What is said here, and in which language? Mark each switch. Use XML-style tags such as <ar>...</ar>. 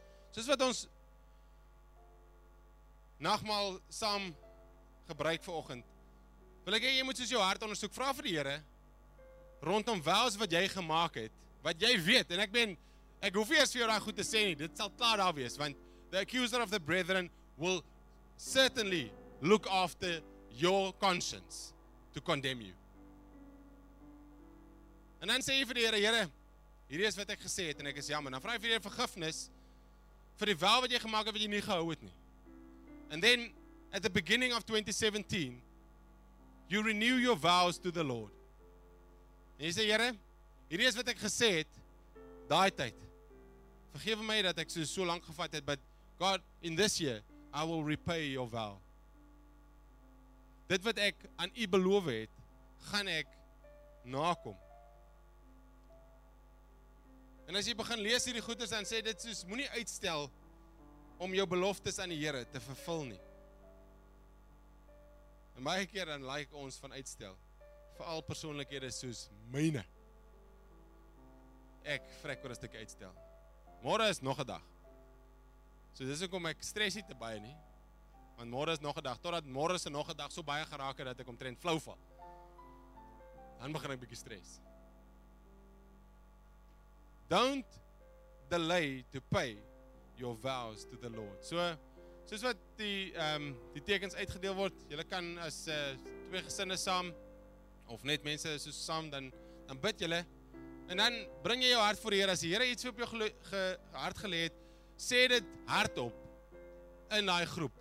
<af>Soos wat ons nagmaal saam gebruik vanoggend, wil ek hê jy moet soos jou hart ondersoek, vra vir die Here, rondom wels wat jy gemaak het, wat jy weet, en ek hoef nie eers vir jou daai goed te sê nie, dit sal klaar daar wees, want</af> <en>the accuser of the brethren will certainly look after your conscience to condemn you.</en> <af>En dan sê jy vir die Here, Here, hierdie is wat ek gesê het, en ek is jammer, dan vra jy vir die Here vergifnis, vir die wel wat jy gemaak het, wat jy nie gehou het nie.</af> <en>And then, at the beginning of 2017, you renew your vows to the Lord.</en> <af>En jy sê, Here, hierdie is wat ek gesê het, daai tyd. Vergewe my dat ek so lank gevat het,</af> <en>but God, in this year, I will repay your vow.</en> <af>Dit wat ek aan u beloof het, gaan ek nakom. En as jy begin lees hierdie goeders, dan sê dit soos, moenie uitstel om jou beloftes aan die Here te vervul nie. En baie keer dan like ons van uitstel. Veral persoonlikhede soos myne. Ek vrek oor 'n stuk uitstel. Môre is nog 'n dag. So dis hoekom ek stres nie te baie nie. Want môre is nog 'n dag. Totdat môre se nog 'n dag so baie geraak het dat ek omtrent flou val. Dan begin ek 'n bietjie stres.</af> <en>Don't delay to pay your vows to the Lord.</en> <af>So soos wat die tekens uitgedeel word, julle kan as twee gesinne saam, of net mense soos saam, dan bid julle, en dan bring jy jou hart voor die Here. As die Here iets op jou hart gelê het, sê dit hardop in daai groep.</af>